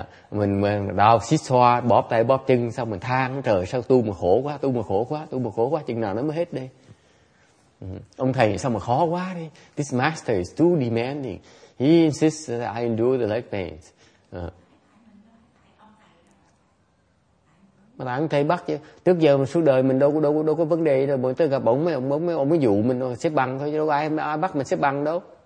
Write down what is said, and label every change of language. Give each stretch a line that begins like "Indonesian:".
Vietnamese: Mình đau xích xoa, bóp tay bóp chân, xong mình than, trời sao tu mà khổ quá, tu mà khổ quá, tu mà khổ quá, chừng nào nó mới hết đi. Ông thầy sao mà khó quá đi.
English: This master is too demanding. He insists that I endure the leg pains.
Vietnamese: Mà ông thầy bắt chứ. Trước giờ mình suốt đời mình đâu có vấn đề rồi. Mình tới gặp ổng mấy ông, mới dụ mình rồi, xếp bằng thôi chứ đâu có ai bắt mình xếp bằng đâu.